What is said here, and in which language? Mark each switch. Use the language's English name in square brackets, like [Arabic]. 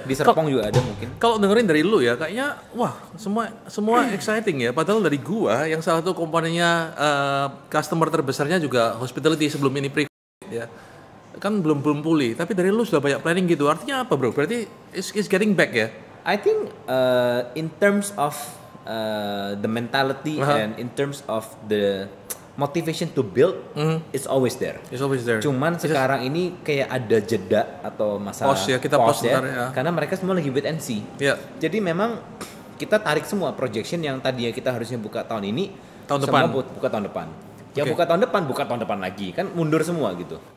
[Indonesian] Di Serpong juga ada mungkin. Kalau dengerin dari lu ya, kayaknya wah, semua exciting ya. Padahal dari gua, yang salah satu komponennya customer terbesarnya juga hospitality sebelum ini pre-COVID ya. Kan belum pulih. Tapi dari lu sudah banyak planning gitu. Artinya apa, bro? Berarti [English] it's getting back [Indonesian] ya? [English] I think in terms of the mentality and in terms of the motivation to build, it's always there. It's always there. [Indonesian] Cuman sekarang ini kayak ada jeda atau masalah. Pause ya, kita pause ya, ya. Karena mereka semua lagi [English] wait and see. Yeah. [Indonesian] Jadi memang kita tarik semua projection yang tadinya kita harusnya buka tahun ini. Tahun semua depan. Buka tahun depan. Okay. Yang buka tahun depan lagi. Kan mundur semua gitu.